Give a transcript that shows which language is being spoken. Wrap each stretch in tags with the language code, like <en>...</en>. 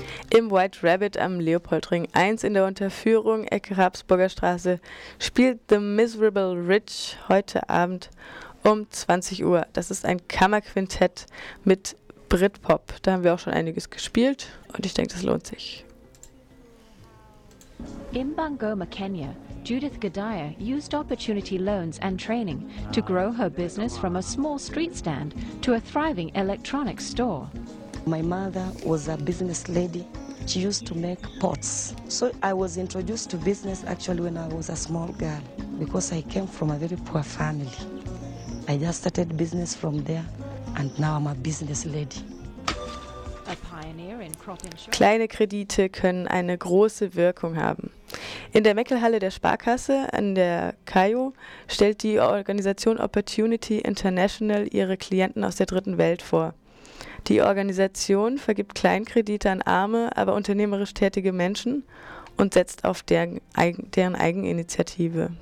<de>Im White Rabbit am Leopoldring 1 in der Unterführung Ecke Habsburger Straße spielt The Miserable Rich heute Abend um 20 Uhr. Das ist ein Kammerquintett mit Britpop. Da haben wir auch schon einiges gespielt und ich denke, das lohnt sich.</de> <en>In Bungoma, Kenya, Judith Gadaya used opportunity loans and training to grow her business from a small street stand to a thriving electronics store. My mother was a business lady. She used to make pots. So I was introduced to business actually when I was a small girl because I came from a very poor family. I just started business from there and now I'm a business lady. A pioneer in crop insurance.</en> <de>Kleine Kredite können eine große Wirkung haben. In der Meckelhalle der Sparkasse an der Kayo stellt die Organisation Opportunity International ihre Klienten aus der dritten Welt vor. Die Organisation vergibt Kleinkredite an arme, aber unternehmerisch tätige Menschen und setzt auf deren Eigeninitiative.</de>